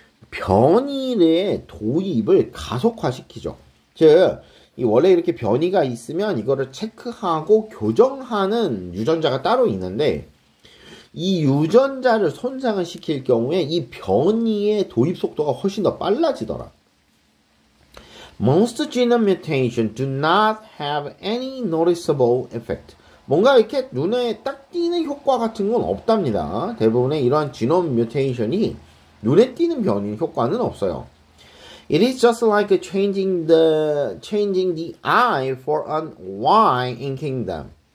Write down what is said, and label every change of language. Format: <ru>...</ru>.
<ko>변이의 도입을 가속화시키죠. 즉, 이 원래 이렇게 변이가 있으면 이거를 체크하고 교정하는 유전자가 따로 있는데 이 유전자를 손상을 시킬 경우에 이 변이의 도입 속도가 훨씬 더 빨라지더라.</ko> <en>Most genome mutations do not have any noticeable effect.</en> <ko>뭔가 이렇게 눈에 딱 띄는 효과 같은 건 없답니다. 대부분의 이러한 지놈 뮤테이션이 눈에 띄는 변이 효과는 없어요.</ko> <en>It is just like changing the eye for an Y in kingdom.</en>